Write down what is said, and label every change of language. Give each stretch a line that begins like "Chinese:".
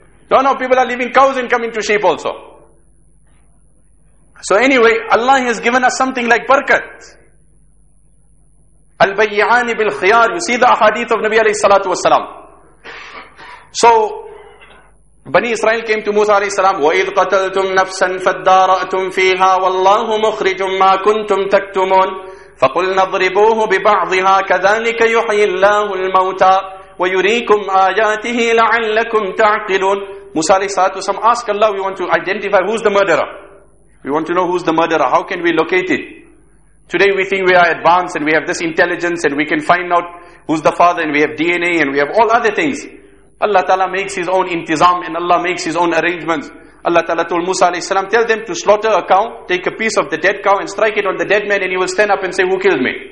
English: No, people are leaving cows and coming to sheep also. So anyway, Allah has given us something like barakat.
Arabic: Al-bayyani bil-khiyar.
English: You see the ahadith of Nabi alayhi salatu wasalam. So, Bani Israel came to Musa alayhi salam.
Arabic: وَإِذْ قَتَلْتُمْ نَفْسًا فَادَّارَأْتُمْ فِيهَا وَاللَّهُ مُخْرِجٌ مَا كُنْتُمْ تَكْتُمُونَ فَقُلْنَا اضْرِبُوهُ بِبَعْضِهَا كَذَلِكَ يُحْيِي اللَّهُ الْمَوْتَى وَيُرِيكُمْ آيَاتِهِ لَعَلَّكُمْ تَعْقِلُونَ
English: Musa alayhi salatu wasalam, ask Allah, we want to identify who's the murderer. We want to know who's the murderer. How can we locate it? Today we think we are advanced and we have this intelligence and we can find out who's the father and we have DNA and we have all other things. Allah Ta'ala makes his own intizam and Allah makes his own arrangements. Allah Ta'ala told Musa alayhi salam, tell them to slaughter a cow, take a piece of the dead cow and strike it on the dead man and he will stand up and say, who killed me?